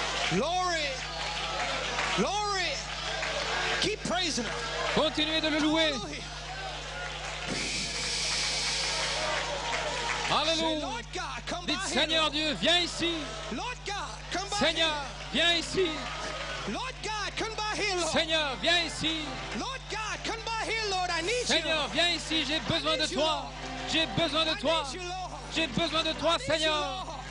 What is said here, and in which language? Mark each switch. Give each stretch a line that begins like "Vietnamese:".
English: Glory. Glory. Keep praising him.
French: Continuez de le louer. Alléluia. Dites, Seigneur Dieu, viens ici.
English: Lord God, come by.
French: Seigneur, viens ici.
English: Lord God, come by here, Lord.
French: Seigneur, viens ici.
English: Lord God, come by here, Lord. I need you.
French: Seigneur, viens ici, j'ai besoin de toi. J'ai besoin de toi. J'ai besoin de toi, Seigneur.